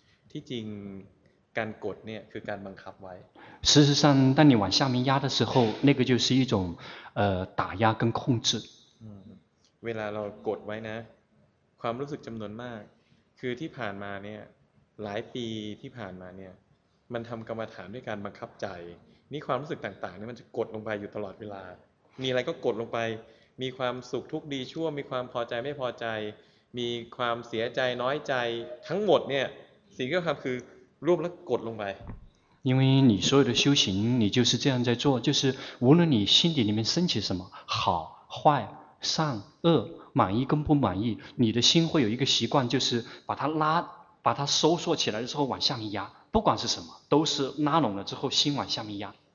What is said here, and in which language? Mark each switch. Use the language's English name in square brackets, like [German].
[Thai] ที่จริงการกดเนี่ยคือการบังคับไว้ [Chinese] 事实上当你往下面压的时候那个就是一种打压跟控制 [Thai] เวลาเรากดไว้นะความรู้สึกจำนวนมากคือที่ผ่านมาเนี่ยหลายปีที่ผ่านมาเนี่ยมันทำกรรมฐานด้วยการบังคับใจนี่ความรู้สึกต่างๆเนี่ยมันจะกดลงไปอยู่ตลอดเวลามีอะไรก็กดลงไปมีความสุขทุกข์ดีชั่วมีความพอใจไม่พอใจมีความเสียใจน้อยใจทั้งหมดเนี่ยสิ่งที่ทำคือรูปแล้วกดลงไป [Chinese] 因为你所有的修行你就是这样在做就是无论你心底里面升起什么好坏善恶满意跟不满意你的心会有一个习惯就是把它收缩起来之后往下面压不管是什么都是拉拢了之后心往下面压